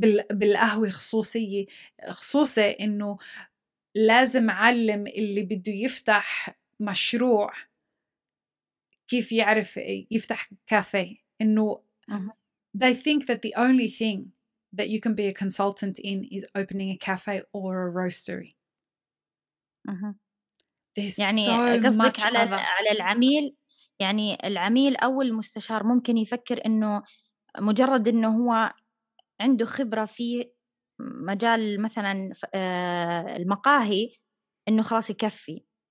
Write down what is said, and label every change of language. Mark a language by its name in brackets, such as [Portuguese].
[Arabic] بالقهوة خصوصة، إنه لازم أعلم اللي بده يفتح مشروع كيف يعرف يفتح كافيه. إنه [English] they think that the only thing that you can be a consultant in is opening a cafe or a roastery. [Arabic] يعني قصدك على العميل، يعني العميل أو المستشار ممكن يفكر إنه مجرد إنه هو عنده خبرة في مجال مثلاً المقاهي إنه خلاص يكفي.